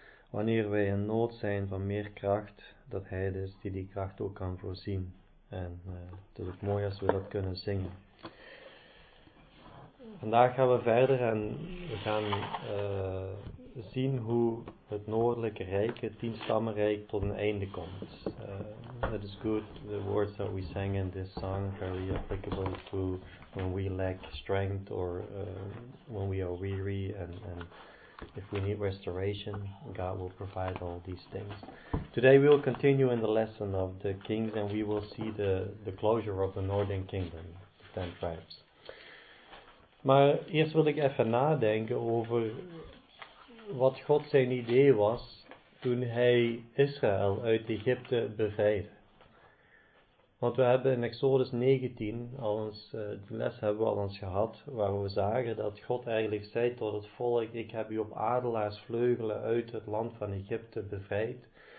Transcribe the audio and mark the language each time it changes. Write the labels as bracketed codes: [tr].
[nl] Wanneer wij in nood zijn van meer kracht, dat Hij het is die kracht ook kan voorzien. En het is ook mooi als we dat kunnen zingen. Vandaag gaan we verder en we gaan zien hoe het noordelijke rijk, het tienstammenrijk, tot een einde komt. [en] That is good, the words that we sang in this song are very applicable to when we lack strength or when we are weary and if we need restoration, God will provide all these things. Today we will continue in the lesson of the kings and we will see the closure of the northern kingdom, the 10 tribes. [nl] Maar eerst wil ik even nadenken over wat God zijn idee was toen hij Israël uit Egypte bevrijdde. Want we hebben in Exodus 19, al eens, die les hebben we al eens gehad, waar we zagen dat God eigenlijk zei tot het volk, ik heb u op adelaarsvleugelen uit het land van Egypte bevrijd.